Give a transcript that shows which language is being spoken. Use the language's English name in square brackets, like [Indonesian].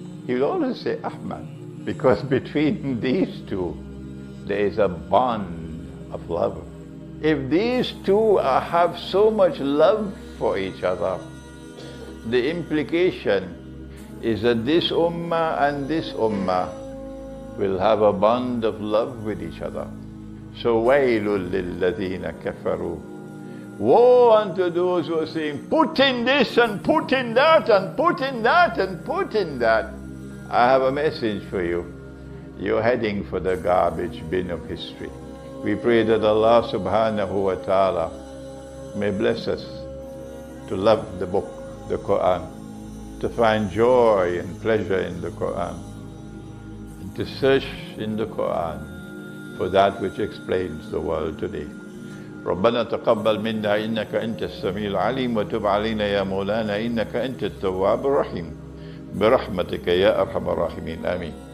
[English] He will always say Ahmad. Because between these two, there is a bond of love. If these two have so much love for each other, the implication is that this ummah and this ummah will have a bond of love with each other. So, [Arabic] وَيْلٌ لِلَّذِينَ كَفَرُوا. [English] Woe unto those who are saying, put in this and put in that and put in that and put in that. I have a message for you. You're heading for the garbage bin of history. We pray that Allah subhanahu wa ta'ala may bless us to love the book, the Quran, to find joy and pleasure in the Quran, and to search in the Quran for that which explains the world today. [Arabic] ربنا تقبل منا إنك أنت السميع العليم وتب علينا يا مولانا إنك أنت التواب الرحيم برحمتك يا أرحم الراحمين آمين.